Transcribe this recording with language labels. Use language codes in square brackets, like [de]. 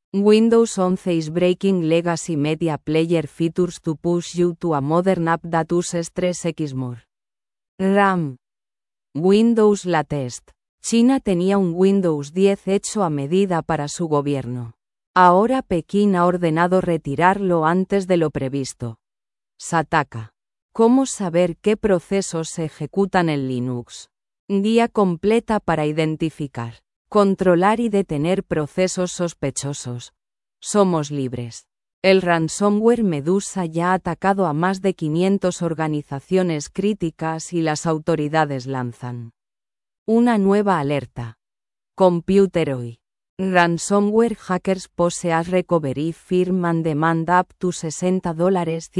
[en] Windows 11 is breaking legacy media player features to push you to a modern app that uses 3x more. RAM. Windows Latest. [es] China tenía un Windows 10 hecho a medida para su gobierno. Ahora Pekín ha ordenado retirarlo antes de lo previsto. Sataka. ¿Cómo saber qué procesos se ejecutan en Linux? Guía completa para identificar, controlar y detener procesos sospechosos. Somos libres. El ransomware Medusa ya ha atacado a más de 500 organizaciones críticas y las autoridades lanzan una nueva alerta. Computer Hoy. [en] Ransomware hackers pose as recovery firm and demand up to $60.